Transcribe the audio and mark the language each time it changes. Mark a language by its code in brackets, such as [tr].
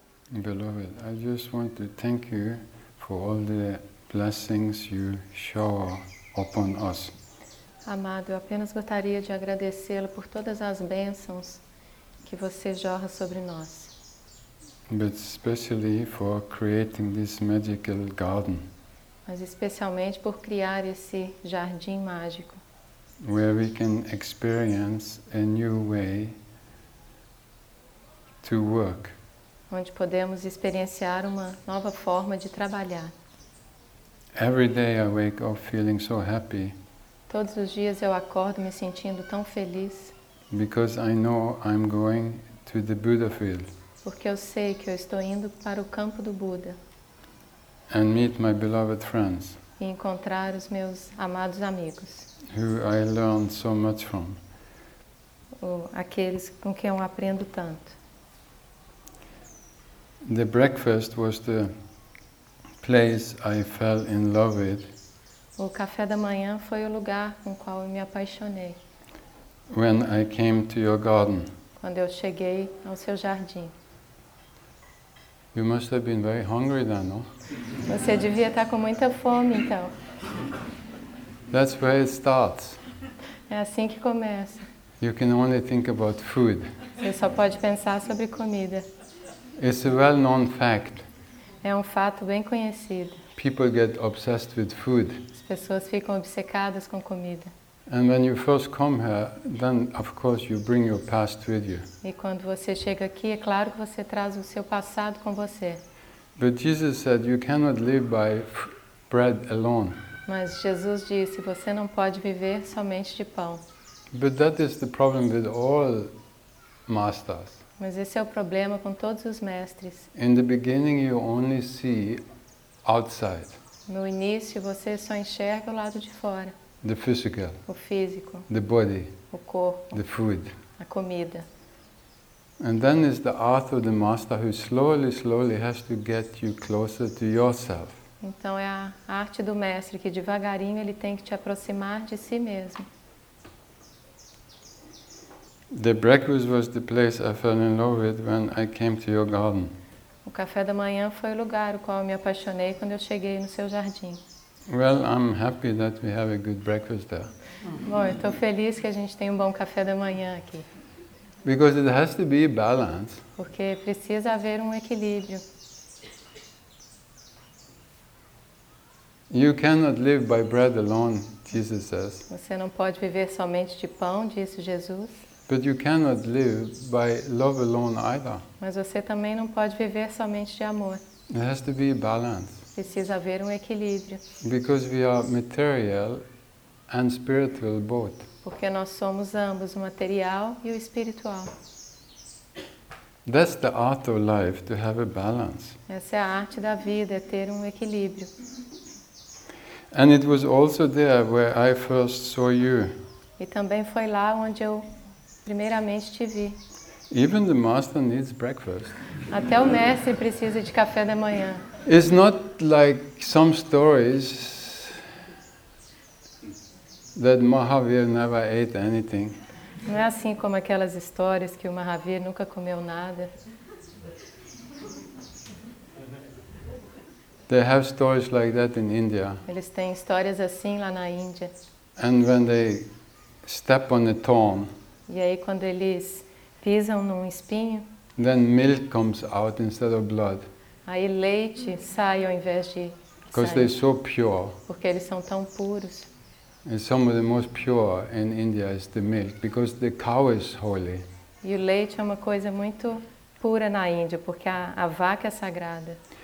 [en] Beloved, I just want to thank you for all the blessings you shower upon us. [pt] Amado, eu apenas gostaria de agradecê-lo por todas as bênçãos que você jorra sobre nós. [en] But especially for creating this magical garden. [pt] Mas especialmente por criar esse jardim mágico. [en] Where we can experience a new way to work. [pt] Onde podemos experienciar uma nova forma de trabalhar. [en] Every day I wake up feeling so happy. [pt] Todos os dias eu acordo me sentindo tão feliz. [en] Because I know I'm going to the Buddha field. [pt] Porque eu sei que eu estou indo para o campo do Buda. [en] And meet my beloved friends. [pt] E encontrar os meus amados amigos. [en] Who I learned so much from. [pt] Aqueles com quem eu aprendo tanto. [en] The breakfast was the place I fell in love with. [pt] O café da manhã foi o lugar com o qual eu me apaixonei. [en] When I came to your garden. [pt] Quando eu cheguei ao seu jardim. [en] You must have been very hungry then, no? [pt] Você devia estar com muita fome então. [en] That's where it starts. [pt] É assim que começa. [en] You can only think about food. [pt] Você só pode pensar sobre comida. [en] It's a well-known fact. [pt] É fato bem conhecido. [en] People get obsessed with food. [pt] As pessoas ficam obcecadas com comida. [en] And when you first come here, then of course you bring your past with you. [pt] E quando você chega aqui, é claro que você traz o seu passado com você. [en] But Jesus said you cannot live by bread alone. [pt] Mas Jesus disse, você não pode viver somente de pão. [en] But that is the problem with all masters. [pt] Mas esse é o problema com todos os mestres. [en] In the beginning you only see outside. [pt] No início você só enxerga o lado de fora. [en] The physical. [pt] O físico. [en] The body. [pt] O corpo. [en] The food. [pt] A comida. [en] And then is the art of the master who slowly, slowly has to get you closer to yourself. [pt] Então é a arte do mestre que devagarinho ele tem que te aproximar de si mesmo. [en] The breakfast was the place I fell in love with when I came to your garden. [pt] O café da manhã foi o lugar o qual eu me apaixonei quando eu cheguei no seu jardim. [en] Well, I'm happy that we have a good breakfast there. [pt] Bom, estou feliz que a gente tem um bom café da manhã aqui. [en] Because it has to be a balance. [pt] Porque precisa haver um equilíbrio. [en] You cannot live by bread alone, Jesus says. [pt] Você não pode viver somente de pão, disse Jesus. [en] But you cannot live by love alone either. [pt] Mas você também não pode viver somente de amor. [en] It has to be a balance. [pt] Precisa haver um equilíbrio. [en] Because we are material and spiritual both. [pt] Porque nós somos ambos, o material e o espiritual. [en] That's the art of life, to have a balance. [pt] Essa é a arte da vida, é ter um equilíbrio. [en] And it was also there where I first saw you. [pt] E também foi lá onde eu primeiramente te vi. [en] Even the master needs breakfast. [pt] Até o mestre precisa de café da manhã. [en] It's not like some stories that Mahavir never ate anything. [pt] Não é assim como aquelas histórias que o Mahavir nunca comeu nada. [en] They have stories like that in India. [pt] Eles têm histórias assim lá na Índia. [en] And when they step on a thorn. [pt] E aí quando eles pisam num espinho. [en] Then milk comes out instead of blood. [pt] Aí leite sai ao invés de sangue. [en] Because they're so pure. [pt] Porque eles são tão puros. [en] And some of the most pure in India is the milk, because the cow is holy. [pt] E o leite é uma coisa muito pura na Índia, porque a vaca é sagrada.